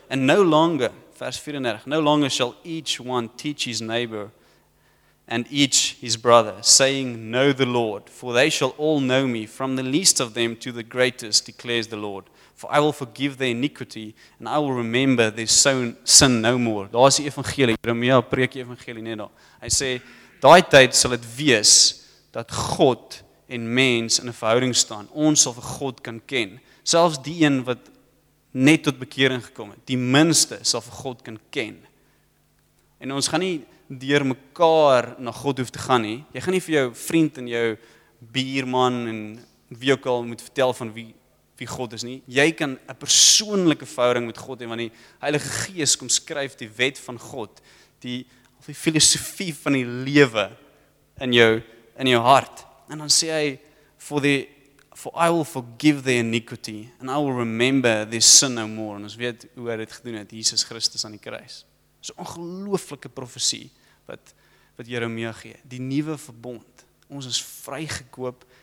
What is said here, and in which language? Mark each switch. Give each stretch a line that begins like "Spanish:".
English: And no longer, vers 34, no longer shall each one teach his neighbor and each his brother, saying, know the Lord, for they shall all know me, from the least of them to the greatest, declares the Lord. For I will forgive their iniquity, and I will remember their sin no more.
Afrikaans: Daar is die evangelie, Jeremia preek die evangelie net daar. Hy sê, daai tyd sal het wees, dat God en mens in 'n verhouding staan. Ons sal vir God kan ken. Selfs die een wat net tot bekering gekom het, die minste sal vir God kan ken. En ons gaan nie deur mekaar na God hoef te gaan nie. Jy gaan nie vir jou vriend en jou buurman en wie ook al moet vertel van wie God is nie. Jy kan 'n persoonlike verhouding met God hê want die Heilige Gees kom skryf die wet van God, die filosofie van die lewe in jou hart. En dan sê hy
English: for I will forgive their iniquity and I will remember their sin no more.
Afrikaans: En ons weet hoe hy dit gedoen het, Jesus Christus aan die kruis. So 'n ongelooflike profesie wat Jeremia gee. Die nuwe verbond. Ons is vrygekoop